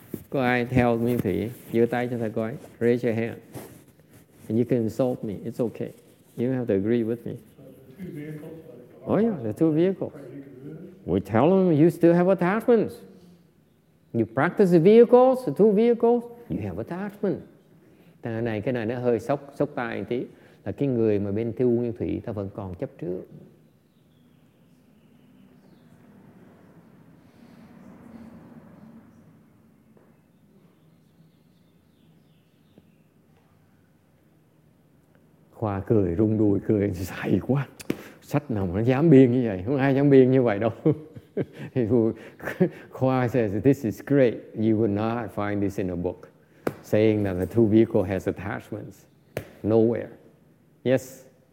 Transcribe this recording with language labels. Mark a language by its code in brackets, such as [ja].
[vi] Có ai theo Nguyên Thủy? Giơ tay cho thầy coi. [en] Raise your hand. And you can insult me. It's okay. You don't have to agree with me. Oh yeah, the two vehicles. We tell them you still have attachments. You practice the vehicles, the two vehicles, you have attachment. [vi] Thằng này, cái này nó hơi sốc tai một tí. Là cái người mà bên Thư Nguyên Thủy ta vẫn còn chấp trước. Khoa cười, rung đùi cười, dày quá. Sách nào mà nó dám biên như vậy? Không ai dám biên như vậy đâu. [en] Khoa says, this is great. You would not find this in a book. Saying that the two vehicle has attachments. Nowhere. Yes?